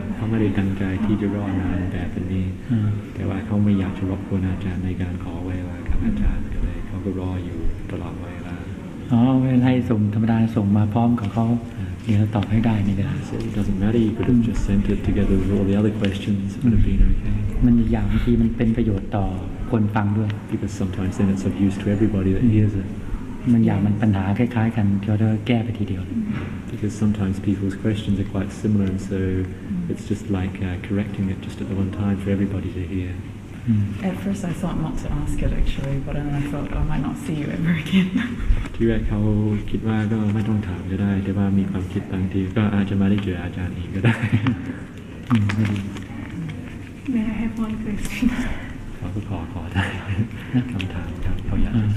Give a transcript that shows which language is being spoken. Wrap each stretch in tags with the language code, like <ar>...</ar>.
<th>ไม่ได้ตั้งใจที่จะรอนานแบบนี้แต่ว่าเขาไม่อยากจะรบกวนอาจารย์ในการขอเวลาครับอาจารย์ก็เลยเขาก็รออยู่ตลอดเวลา อ๋อเวลาให้ส่งธรรมดาส่งมาพร้อมกับเขาเดี๋ยวตอบให้ได้นี่แหละ</th> <en>so it doesn't matter you could have just sent it together with all the other questions would have been okay</en> <th>มันอย่างที่มันเป็นประโยชน์ต่อคนฟังด้วย</th> <en>because sometimes then it's of use to everybody that hears it</en> <th>มันอย่างมันปัญหาคล้ายๆกันเดี๋ยวจะแก้ไปทีเดียว</th> <en>Because sometimes people's questions are quite similar and so it's just like correcting it just at the one time for everybody to hear At first I thought not to ask it actually, but then I thought I might not see you ever again.</en> <th>ที่แรกเขาคิดว่าก็ไม่ต้องถามก็ได้แต่ว่ามีความคิดบางทีก็อาจจะมาได้เจออาจารย์อีกก็ได้</th> <en>May I have one question?</en> <th>ขอก็ขอได้คำถามครับเขาอยาก</th>